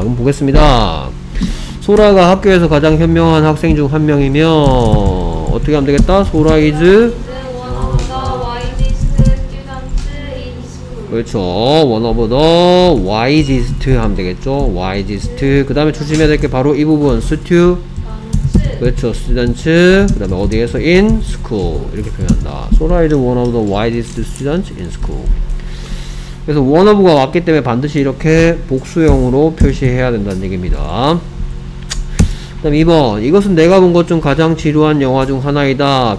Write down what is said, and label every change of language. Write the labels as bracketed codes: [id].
[ko] 그럼 보겠습니다. 소라가 학교에서 가장 현명한 학생 중 한 명이면 어떻게 하면 되겠다? [en] 소라 is one of the wisest students in school. [ko] 그렇죠. [en] one of the wisest [ko] 하면 되겠죠. [en] wisest. [ko] 그 다음에 조심해야 될 게 바로 이 부분 그렇죠. students. 그 다음에 어디에서? [en] in school. [ko] 이렇게 표현한다. [en] Sora is one of the wisest students in school. [ko] 그래서 one of가 왔기 때문에 반드시 이렇게 복수형으로 표시해야 된다는 얘기입니다. 그 다음 2번. 이것은 내가 본 것 중 가장 지루한 영화 중 하나이다.